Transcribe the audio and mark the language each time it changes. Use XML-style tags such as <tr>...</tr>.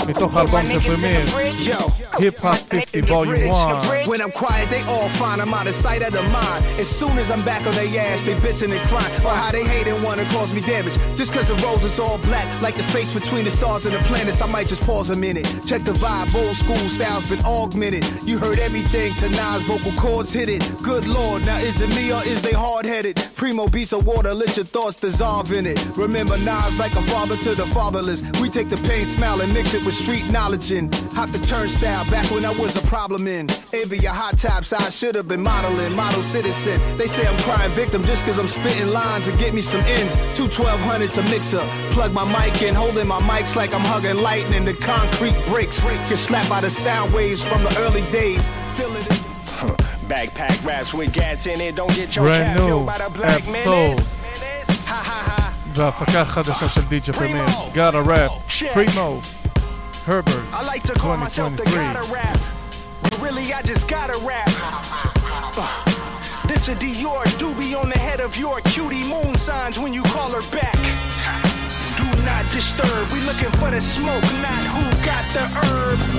<he>מתוך אלבום של פרימיר, Hip Hop 50 Volume 1.</he> <en>When I'm quiet, they all fine. I'm out of sight of the mind. As soon as I'm back on their ass, they bitchin' and crying. For how they hate and wanna cause me damage. Just cause the roads is all black, like the space between the stars and the planets. I might just pause a minute. Check the vibe, old school style's been augmented. You heard everything to Nas, vocal cords hit it. Good lord, now is it me or is they hard headed? Primo beats of water, let your thoughts dissolve in it. Remember Nas like a father to the fatherless. We take the pain, smile, and mix it with street knowledge and hop the turnstile back when I was a problem in. Envy your hot tops, I should have been modeling, model citizen. They say I'm crying victim just cause I'm spitting lines and get me some ends. 2 1200's a mixer. Plug my mic in, holding my mics like I'm hugging lightning. The concrete breaks, get slapped by the sound waves from the early days. Feel it. Backpack raps with gats in it. Don't get your brand cap new, by the black menace.</en> <he>והפקה חדשה של DJ Premier.</he> <en>Gotta rap. Primo. Herbert. I like to call myself the gotta rap. But really, I just gotta rap. This a Dior doobie on the head of your cutie moon signs when you call her back. Do not disturb. We looking for the smoke, not who got the herb.</en>